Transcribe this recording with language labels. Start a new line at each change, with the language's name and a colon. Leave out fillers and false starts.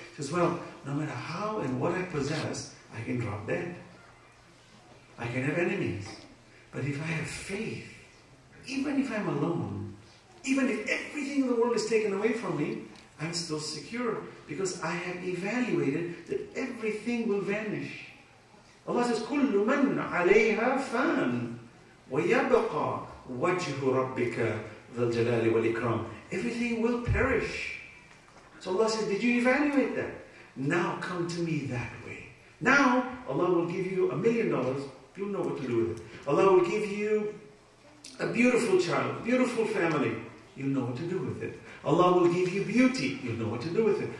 English: He says, well, no matter how and what I possess, I can drop dead. I can have enemies. But if I have faith, even if I'm alone, even if everything in the world is taken away from me, I'm still secure. Because I have evaluated that everything will vanish. Allah says,
Arabic: كُلُّ مَنْ عَلَيْهَا فَانٍ وَيَبْقَى وَجْهُ رَبِّكَ ذَا الْجَلَالِ وَالْإِكْرَامِ.
English: Everything will perish. So Allah says, did you evaluate that? Now come to me that way. Now Allah will give you $1 million. You'll know what to do with it. Allah will give you a beautiful child, beautiful family. You'll know what to do with it. Allah will give you beauty. You'll know what to do with it.